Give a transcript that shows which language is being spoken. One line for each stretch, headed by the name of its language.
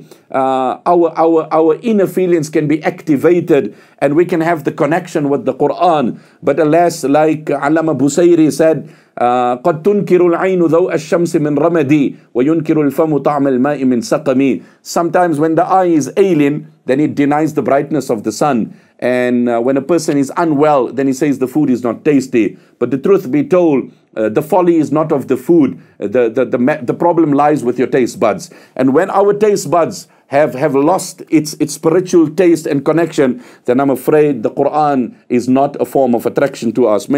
English: if only our inner feelings can be activated and we can have the connection with the Quran. But alas, like Allama Busayri said,
Arabic: قَدْ تُنْكِرُ الْعَيْنُ ذَوْءَ الشَّمْسِ مِنْ رَمَدِي وَيُنْكِرُ الْفَمُ طَعْمَ الْمَاءِ مِنْ سَقَمِي.
English: Sometimes when the eye is ailing, then it denies the brightness of the sun. And when a person is unwell, then he says the food is not tasty. But the truth be told, the folly is not of the food. The problem lies with your taste buds. And when our taste buds have lost its spiritual taste and connection, then I'm afraid the Quran is not a form of attraction to us.